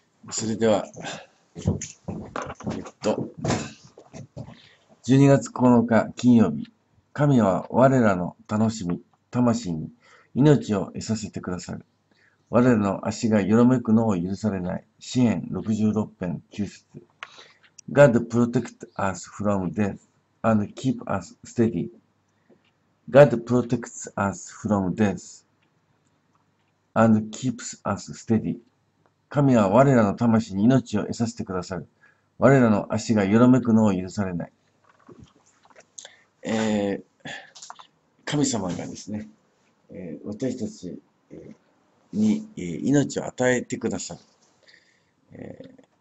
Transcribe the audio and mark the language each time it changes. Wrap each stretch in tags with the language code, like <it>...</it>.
<ja>それでは、12月9日金曜日、神は我らの楽しみ、魂に命を得させてくださる。我らの足がよろめくのを許されない。詩編66編9節。</ja> <en>God protect us from death and keep us steady. God protects us from death and keeps us steady.</en> <ja>神は我らの魂に命を得させてくださる。我らの足がよろめくのを許されない。神様がですね、私たち、に命を与えてくださる。</ja>